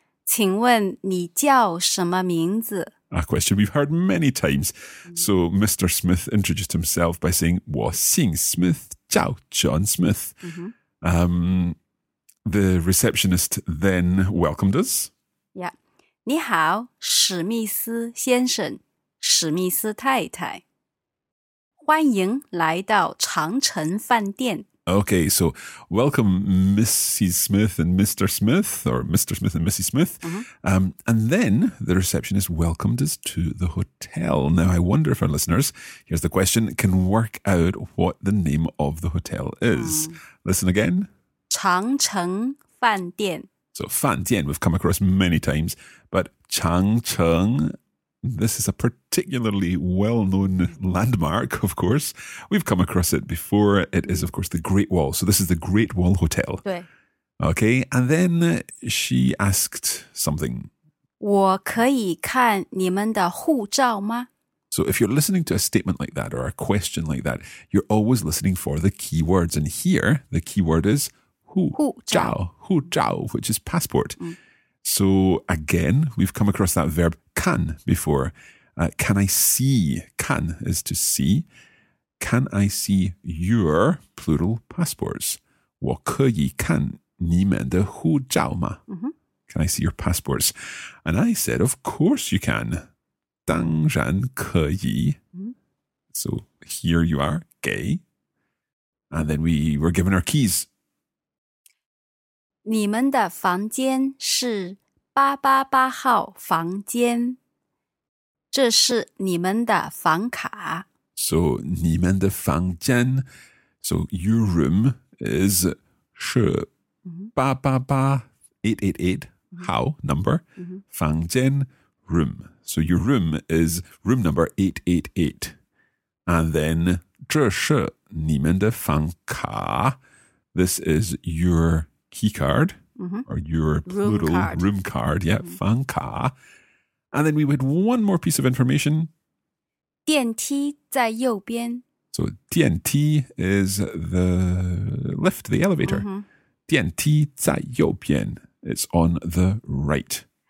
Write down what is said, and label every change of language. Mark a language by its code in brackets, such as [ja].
[zh] 请问你叫什么名字？ [en] A question we've heard many times. So Mr. Smith introduced himself by saying, [zh] 我姓 Smith, 叫 John Smith. [en] Mm-hmm. The receptionist then welcomed us. Yeah. [zh] 你好,史密斯先生,史密斯太太。欢迎来到长城饭店。 [en] Okay, so welcome Mrs. Smith and Mr. Smith, or Mr. Smith and Mrs. Smith. Mm-hmm. And then the receptionist welcomed us to the hotel. Now, I wonder if our listeners, here's the question, can work out what the name of the hotel is. Mm-hmm. Listen again. [zh] 长城饭店. [en] So, 饭店, we've come across many times, but 长城, this is a particularly well-known landmark, of course. We've come across it before. It is, of course, the Great Wall. So this is the Great Wall Hotel. [zh] 对。 [en] Okay, and then she asked something. [zh] 我可以看你们的护照吗? [en] So if you're listening to a statement like that or a question like that, you're always listening for the keywords. And here, the keyword is 护照, which is passport. So again, we've come across that verb can before. Can I see? Can is to see. Can I see your plural passports? [zh] 我可以看你们的护照吗? [en] Can I see your passports? And I said, of course you can. [zh] 当然可以. [en] So here you are, gay. And then we were given our keys. [zh] 你们的房间是888号房间。这是你们的房卡。 So, 你们的房间。 [en] So, your room is 是888 888 号 number 房间 room. So, your room is room number 888. And then [zh] 这是你们的房卡。 [en] This is your key card. Mm-hmm. Or your plural room card. Yeah, mm-hmm. 房卡. And then we had one more piece of information. [zh] 电梯在右边. [en] So 电梯 is the lift, the elevator. Mm-hmm. [zh] 电梯在右边. [en] It's on the right.